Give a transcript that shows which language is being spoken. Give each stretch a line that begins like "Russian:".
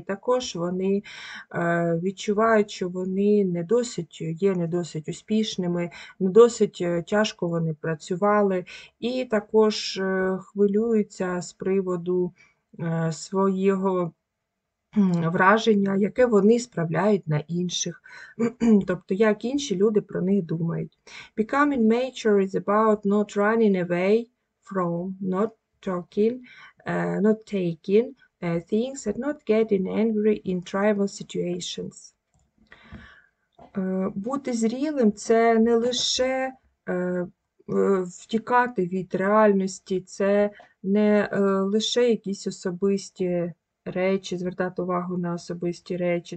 Ukrainian: Також вони відчувають, що вони не досить успішними, не досить тяжко вони працювали, і також хвилюються з приводу свого враження, яке вони справляють на інших, тобто як інші люди про них думають.
English: Becoming mature is about not running away from, not talking, not taking things and not getting angry in tribal situations.
Ukrainian: Бути зрілим – це не лише втікати від реальності, це не лише якісь особисті речі, звертати увагу на особисті речі.